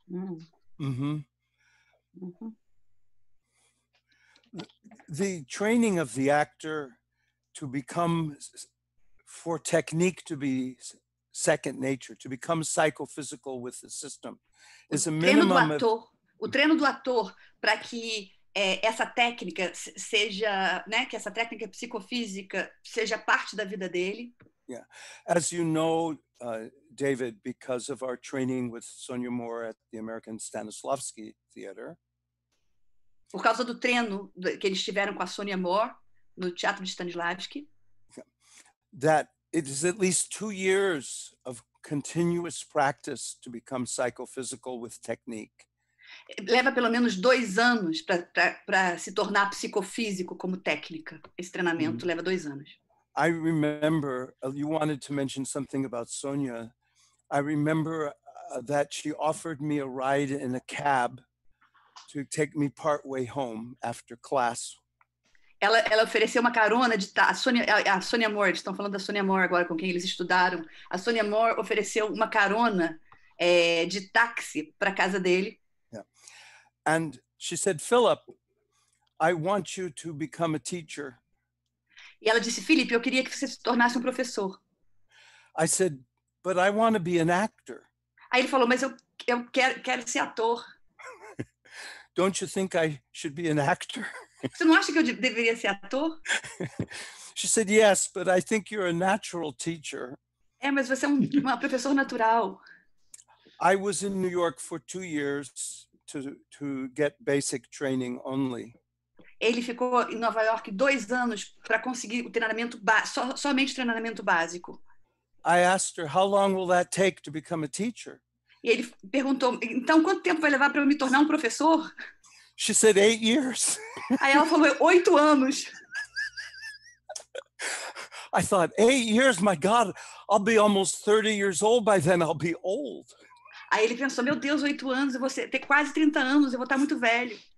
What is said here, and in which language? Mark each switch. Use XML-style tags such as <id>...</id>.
<en>Mm-hmm. The training of the actor to become, for technique to be second nature, to become psychophysical with the system, is a minimum of...</en> <pt>O treino do ator para que essa técnica seja, né, que essa técnica psicofísica seja parte da vida dele.</pt> <en>Yeah. As you know, David, because of our training with Sonia Moore at the American Stanislavski Theater.</en> <pt>Por causa do treino que eles tiveram com a Sonia Moore no Teatro de Stanislavski.</pt> <en>That it is at least 2 years of continuous practice to become psychophysical with technique.</en> <pt>Leva pelo menos 2 anos para se tornar psicofísico como técnica. Esse treinamento leva 2 anos.</pt> <en>I remember, you wanted to mention something about Sonia. I remember that she offered me a ride in a cab to take me partway home after class.</en> <pt>Ela ofereceu uma carona de táxi. A Sonia Moore, eles estão falando da Sonia Moore agora, com quem eles estudaram. A Sonia Moore ofereceu uma carona de táxi para a casa dele.</pt> <en>And she said, Philip, I want you to become a teacher.</en> <pt>E ela disse, Felipe, eu queria que você se tornasse um professor.</pt> <en>I said, but I want to be an actor.</en> <pt>Aí ele falou, mas eu quero ser ator.</pt> <en>Don't you think I should be an actor?</en> <pt>Você não acha que eu deveria ser ator?</pt> <en>She said, yes, but I think you're a natural teacher.</en> <pt>É, mas você é uma professor natural.</pt> <en>I was in New York for 2 years to get basic training only.</en> <pt>Ele ficou em Nova York 2 anos para conseguir o treinamento somente treinamento básico.</pt> <en>I asked her, how long will that take to become a teacher?</en> <pt>E ele perguntou, então quanto tempo vai levar para eu me tornar um professor?</pt> <en>She said, 8 years.</en> <pt>Aí ela falou, 8 anos.</pt> <en>I thought, 8 years, my God, I'll be almost 30 years old by then, I'll be old.</en> <pt>Aí ele pensou, meu Deus, 8 anos, eu vou ter quase 30 anos, eu vou estar muito velho.</pt>